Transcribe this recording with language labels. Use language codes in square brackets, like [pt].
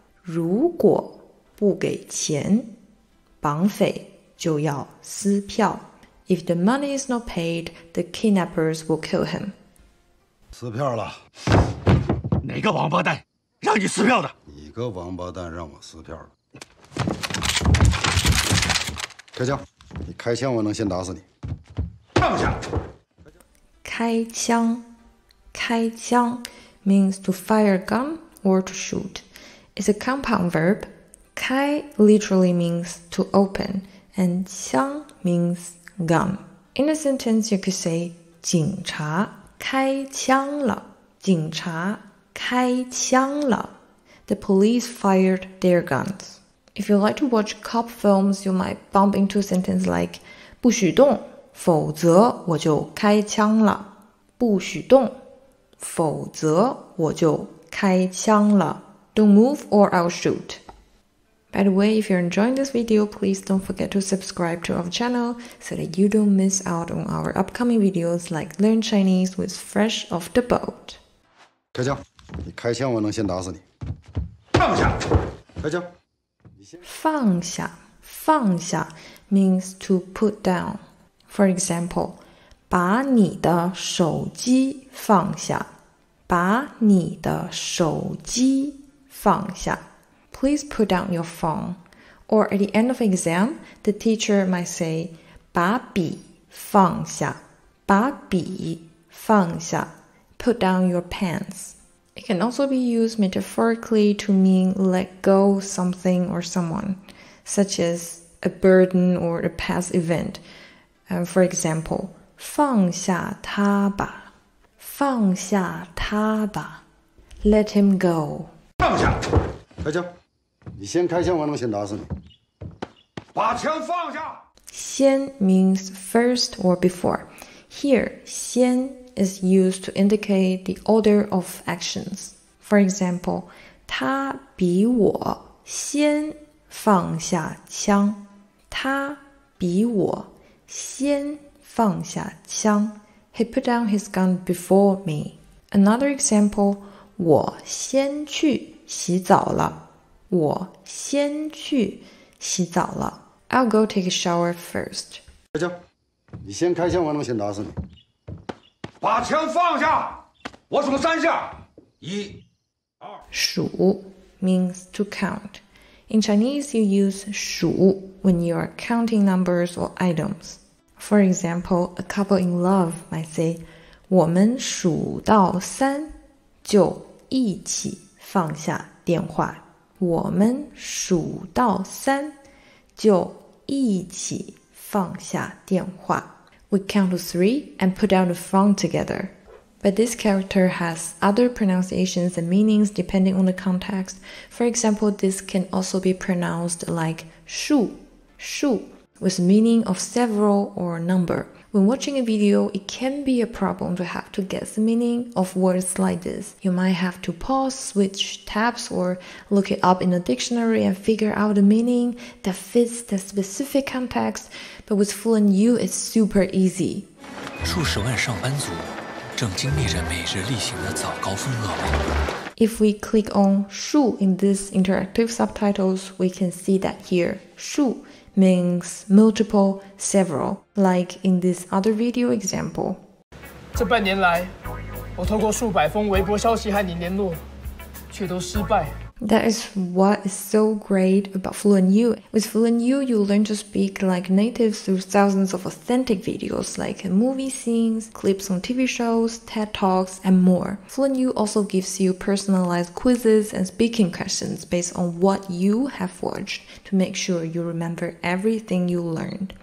[zh] 如果不给钱，绑匪就要撕票。 [en] If the money is not paid, the kidnappers will kill him. [zh] 撕票了。哪个王八蛋让你撕票的？你个王八蛋让我撕票了。开枪，你开枪我能先打死你。放下。 [en] 开枪，开枪 means to fire a gun or to shoot. It's a compound verb. 开 literally means to open, and 枪 means gun. In a sentence, you could say [zh] 警察开枪了。警察开枪了。 [en] The police fired their guns. If you like to watch cop films, you might bump into a sentence like [zh] 不许动，否则我就开枪了。不许动，否则我就开枪了。 [en] Don't move or I'll shoot. By the way, if you're enjoying this video, please don't forget to subscribe to our channel so that you don't miss out on our upcoming videos like Learn Chinese with Fresh Off the Boat. [zh] 开枪，你开枪我能先打死你。放下，开枪。 [en] 放下，放下 means to put down. For example, [zh] 把你的手机放下，把你的手机放下。 [en] Please put down your phone. Or at the end of exam, the teacher might say, [zh] 把笔放下，把笔放下。 [en] Put down your pens. It can also be used metaphorically to mean let go something or someone, such as a burden or a past event. For example, [zh] 放下他吧，放下他吧 ， [en] Let him go。 [zh] 放下，开枪！你先开枪，我能先打死你。把枪放下。 [en] 先 means first or before. Here, 先 is used to indicate the order of actions. For example, [zh] 他比我先放下枪。他比我先。放下枪 [en] He put down his gun before me. Another example, [zh] 我先去洗澡了。我先去洗澡了。 [en] I'll go take a shower first. [zh] 开枪，你先开枪，我能先打死你。把枪放下，我数三下，一、二。 [en] 数 means to count. In Chinese, you use 数 when you are counting numbers or items. For example, a couple in love might say, [zh] 我们数到三就一起放下电话。我们数到三就一起放下电话。 [en] We count to three and put down the phone together. But this character has other pronunciations and meanings depending on the context. For example, this can also be pronounced like 数数。 With meaning of several or number. When watching a video, it can be a problem to have to guess the meaning of words like this. You might have to pause, switch tabs, or look it up in a dictionary and figure out the meaning that fits the specific context. But with FluentU, it's super easy. [zh] 数十万上班族正经历着每日例行的早高峰噩梦。 [en] If we click on 数 in this interactive subtitles, we can see that here 数means multiple, several, like in this other video example. [zh] 这半年来，我透过数百封微博消息和你联络，却都失败。 [en] That is what is so great about FluentU. With FluentU, you learn to speak like natives through thousands of authentic videos like movie scenes, clips on TV shows, TED Talks, and more. FluentU also gives you personalized quizzes and speaking questions based on what you have watched to make sure you remember everything you learned.